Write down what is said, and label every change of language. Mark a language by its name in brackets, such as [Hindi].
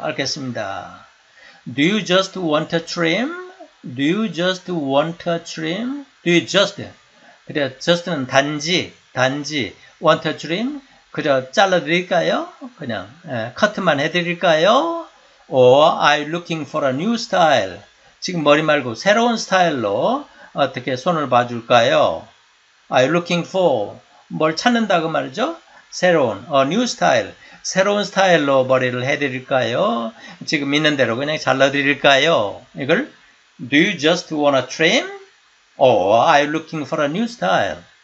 [Korean] 알겠습니다. [English] Do you just want a trim? Do you just want a trim? Do you just? [Korean] 그래, just는 단지, 단지. [English] Want a trim? [Korean] 그저 잘라드릴까요? 그냥 커트만 해드릴까요? [English] Or are you looking for a new style? [Korean] 지금 머리 말고 새로운 스타일로 어떻게 손을 봐줄까요? [English] Are you looking for? [Korean] 뭘 찾는다고 말이죠? 새로운, [English] a new style. [Korean] 새로운 스타일로 머리를 해드릴까요? 지금 있는 대로 그냥 잘라드릴까요? 이걸 [English] Do you just want a trim? Or are you looking for a new style?